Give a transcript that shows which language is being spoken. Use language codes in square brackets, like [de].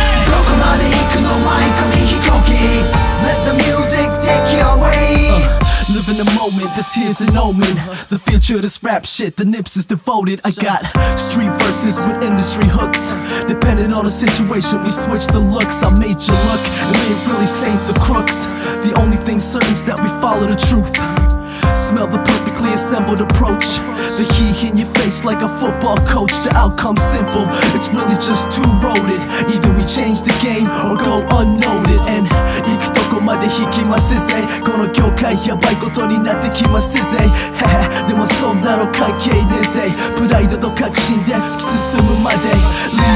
[ja] どこまで行くの前紙飛行機。 [en] Let the music take you away. Living the moment, this here's an omen. The future is rap shit, the nips is devoted. I got street verses with industry hooks. Depending on the situation, we switch the looks. I made you look, and we ain't really saints or crooks. The only thing certain is that we follow the truth. Smell the perfectly assembled approach. The heat in your face like a football coach. The outcome's simple, it's really just too roaded. Either we change the game or go unnoted. And [ja] 行くとこまで引きますぜ。この業界やばいことになってきますぜ。でもそんなの関係ねえぜ。プライドと確信で突き進むまで。